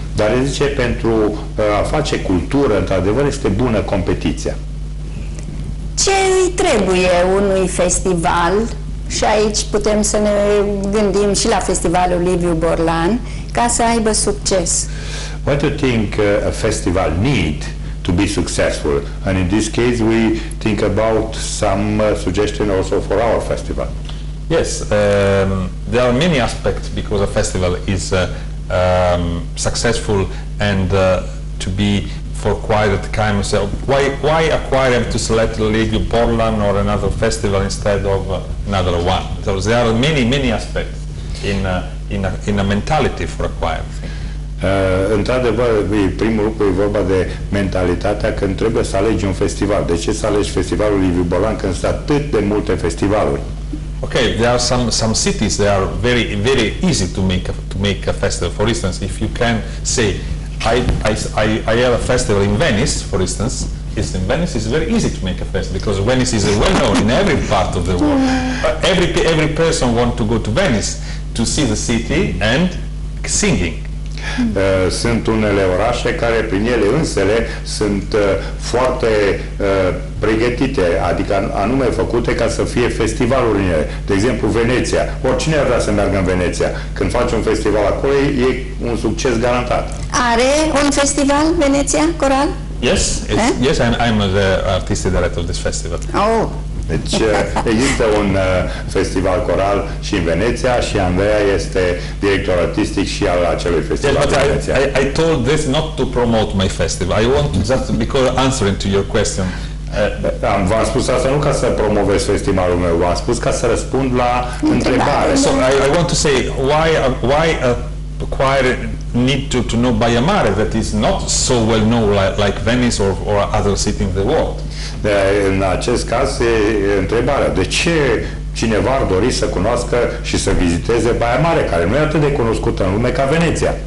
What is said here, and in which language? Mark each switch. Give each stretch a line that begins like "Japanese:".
Romanian: Dar el zice, pentru a face cultură, într-adevăr, este bună competiția. Ce îi trebuie unui festival, și aici putem să ne gândim și la festivalul Liviu Borlan, ca să aibă succes?
English: What do you think a festival need to be successful? And in this case, we think about some suggestion also for our festival. Yes, there are many aspects because a festival is successful and to be for choir that kind of self. Why a choir have to select Liviu Borlan or another festival instead of another one? So there are many, many aspects in a mentality for a choir.
Romanian: Într-adevăr, primul lucru e vorba de mentalitatea când trebuie să alegi un festival. De ce să alegi festivalul Liviu Borlan când sunt atât de multe festivaluri?
English: Ok, there are some cities that are very, very easy to make a festival. For instance, if you can say, I have a festival in Venice, for instance, it's in Venice, it's very easy to make a festival because Venice is well known in every part of the world. Every person wants to go to Venice to see the city and singing.
Romanian: Sunt unele orașe care prin ele însele sunt foarte pregătite, adică anume făcute ca să fie festivaluri în ele. De exemplu, Veneția. Oricine ar vrea să meargă în Veneția. Când faci un festival acolo, e un succes garantat. Are un festival Veneția, coral?
English: Yes, yes, I'm the artistic director of this festival. Oh.
Romanian: Deci există un festival coral și în Veneția și Andreea este director artistic și al acelui festival.
English: Yes,
Romanian: în Veneția.
English: I told this not to promote my festival. I want just because answering to your question.
Romanian: V-am spus asta nu ca să promovez festivalul meu, v-am spus ca să răspund la întrebare.
English: So I want to say why a choir need to know by a mare that is not so well known like Venice or other city in the world.
Romanian: În acest caz e întrebarea, de ce cineva ar dori să cunoască și să viziteze Baia Mare, care nu e atât de cunoscută în lume ca Veneția?